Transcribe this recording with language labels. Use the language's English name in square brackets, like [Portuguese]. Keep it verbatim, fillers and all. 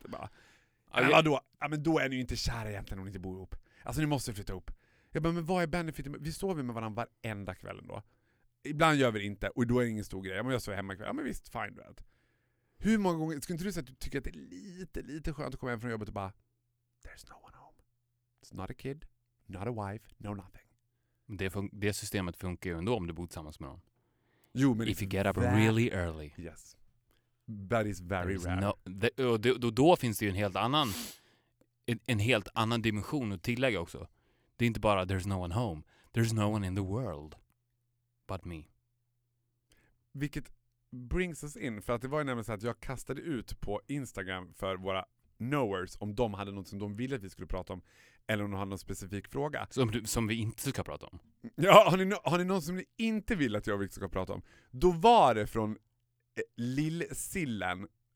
[Swedish] Det bara, ja, jag... vadå? Ja, men då är ni ju inte kära egentligen om ni inte bor ihop. Alltså ni måste flytta ihop. Jag bara, men vad är benefiten? Vi sover med varandra varenda kväll ändå. Ibland gör vi det inte, och då är det ingen stor grej. Ja, men jag sover hemma ikväll. Ja, men visst, fine, du vet. Hur många gånger, skulle inte du säga att du tycker att det är lite, lite skönt att komma hem från jobbet och bara, there's no one home. [English] It's not a kid, not a wife, no nothing. [Swedish] Det, fun- det systemet funkar ju ändå om du bor tillsammans med någon. Jo, men [English] if you get up that, really early. Yes. That is very that is rare. [Swedish] No, the, och då, då finns det ju en helt annan, en, en helt annan dimension att tillägga också. Det är inte bara there's no one home. [English] There's no one in the world but me. [Swedish] Vilket brings us in. För att det var ju nämligen så att jag kastade ut på Instagram för våra knowers om de hade något som de ville att vi skulle prata om. Eller om de hade någon specifik fråga. Som, du, som vi inte ska prata om. Ja, har ni, no- har ni någon som ni inte vill att jag ska prata om? Då var det från eh, Lill-Sillen.